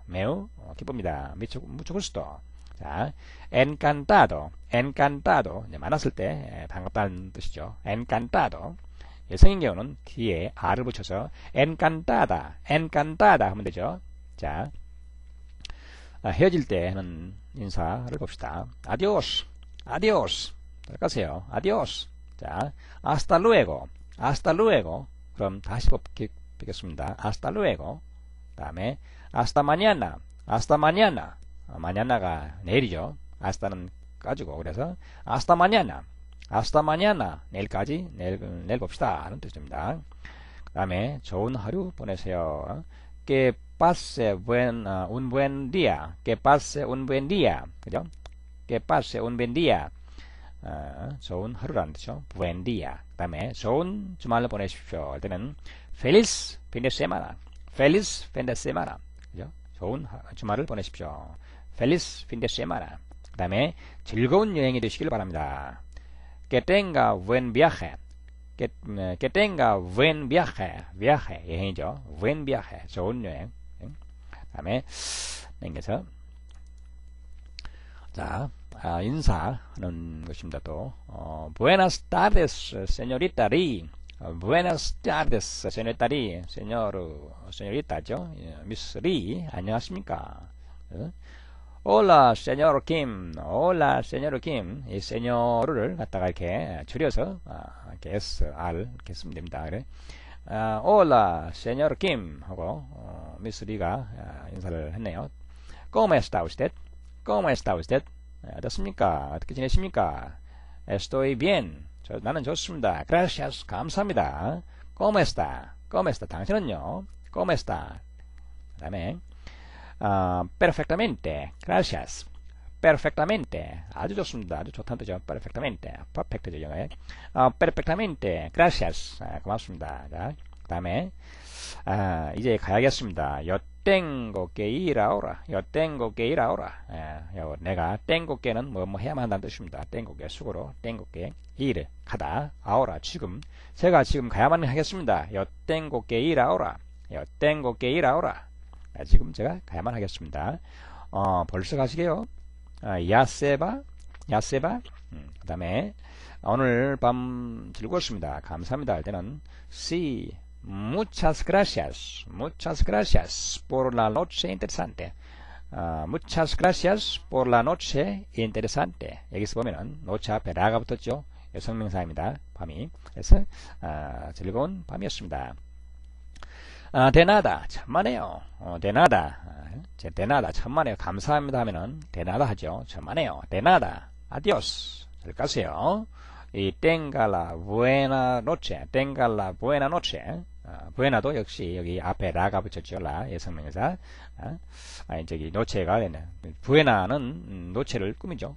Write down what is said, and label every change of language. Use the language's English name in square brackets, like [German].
[Korean] 매우 기쁩니다. [Spanish] Mucho gusto. 자, encantado. Encantado. [Korean] 이제 만났을 때 반갑다는 뜻이죠. [Spanish] Encantado. [Korean] 여성인 경우는 귀에 R을 붙여서 encantada. Encantada 하면 되죠. 자, 헤어질 때 하는 인사를 봅시다. [Spanish] Adiós, adiós. [Korean] 가세요. [Spanish] Adiós. 자, hasta luego, hasta luego. [Korean] 그럼 다시 뵙겠습니다. [Spanish] Hasta luego. [Korean] 다음에 [Spanish] hasta mañana, hasta mañana. [Korean] mañana가 내일이죠. [Spanish] hasta는 [Korean] 까지고 그래서 [Spanish] hasta mañana, hasta mañana. [Korean] 내일까지, 내일 봅시다. 하는 뜻입니다. 그다음에 좋은 하루 보내세요. [Spanish] Que pase un buen día. Que pase un buen día. [Korean] 그죠? [Spanish] Que pase un buen día. [Korean] 좋은 하루라는 뜻이죠. [Spanish] Buen día. [Korean] 그 다음에 좋은 주말을 보내십시오. 할 때는 [Spanish] Feliz fin de semana. Feliz fin de semana. [Korean] 그죠? 좋은 주말을 보내십시오. [Spanish] Feliz fin de semana. [Korean] 그 다음에 즐거운 여행이 되시길 바랍니다. [Spanish] Que tenga buen viaje. Que tenga buen viaje. Viaje. [Korean] 여행이죠. [Spanish] Buen viaje. [Korean] 좋은 여행. 그 다음에 냉겨서 자 인사하는 것입니다. [Spanish] 또 Buenas tardes, señorita Ri. Buenas tardes, señorita Ri. Señor, señorita죠. [Korean] Miss Ri, 안녕하십니까? [Spanish] Hola, señor Kim. Hola, señor Kim. [Korean] 이 señor를 갖다가 이렇게 줄여서 S-R 이렇게 쓰면 됩니다. 그래. [Spanish] Hola, señor Kim. [Korean] 하고 Miss Ri가 인사를 했네요. [Spanish] ¿Cómo está usted? ¿Cómo está usted? [Korean] 어떻습니까? 어떻게 지내십니까? [Spanish] Estoy bien. [Korean] 나는 좋습니다. [Spanish] Gracias. [Korean] 감사합니다. [Spanish] ¿Cómo está? ¿Cómo está? [Korean] 당신은요? [Spanish] ¿Cómo está? [Korean] 그 다음에 [Spanish] Perfectamente. Gracias. Perfectamente. [Korean] 아주 좋습니다. 아주 좋다는 뜻이죠. Perfectamente. Perfect죠, 영어에. [Spanish] Perfectamente. Gracias. [Korean] 고맙습니다. 그 다음에 이제 가야겠습니다. [Spanish] Tengo que ir ahora. Yo tengo que ir ahora. [Korean] 내가 [Spanish] tengo que [Korean] 는 뭐뭐 해야만 한다는 뜻입니다. [Spanish] Tengo que [Korean] 수고로. [Spanish] Tengo que ir [Korean] 가다. Ahora 지금. 제가 지금 가야만 하겠습니다. [Spanish] Yo tengo que ir ahora. Yo tengo que ir ahora. [Korean] 지금 제가 가야만 하겠습니다. 벌써 가시게요. [Spanish] Ya se va. Ya se va. [Korean] 그다음에 오늘 밤 즐거웠습니다. 감사합니다. 할 때는 see. [Spanish] Muchas gracias por la noche interesante. Muchas gracias por la noche interesante. [Korean] 여기서 보면은 noche 앞에 라가 붙었죠. 여성명사입니다. 밤이. 그래서 즐거운 밤이었습니다. [Spanish] De nada, [Korean] 천만에요. [Spanish] De nada, de nada, 천만에요. [Korean] 감사합니다 하면은 [Spanish] de nada [Korean] 하죠. 천만에요. [Spanish] De nada, adiós. [Korean] 잘 가세요. [Spanish] Y tenga la buena noche. Tenga la buena noche. [Korean] 부에나도 역시 여기 앞에 라가 붙였죠. 라 예성명사. 아니 저기 노체가 되네. 부에나는 노체를 꾸미죠.